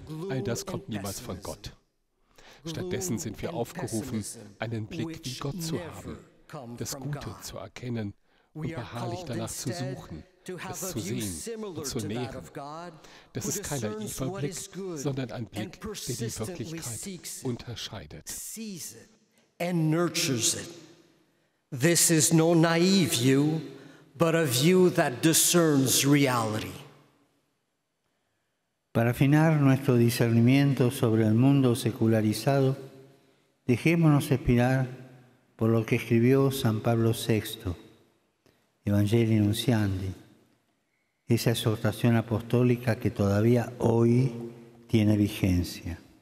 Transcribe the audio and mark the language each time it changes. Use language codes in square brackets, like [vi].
[de] All das kommt niemals von Gott. Stattdessen sind wir aufgerufen, einen Blick wie Gott zu haben, das Gute zu erkennen und beharrlich danach zu suchen. Das zu sehen und zu nähren. Das ist kein naiver Blick, sondern ein Blick, der die Wirklichkeit unterscheidet. [en] And nurtures it. This is no naive view, but a view that discerns reality. [es] Para afinar nuestro discernimiento sobre el mundo secularizado, dejémonos inspirar por lo que escribió San Pablo VI, Evangelii Nuntiandi. Esa exhortación apostólica que todavía hoy tiene vigencia.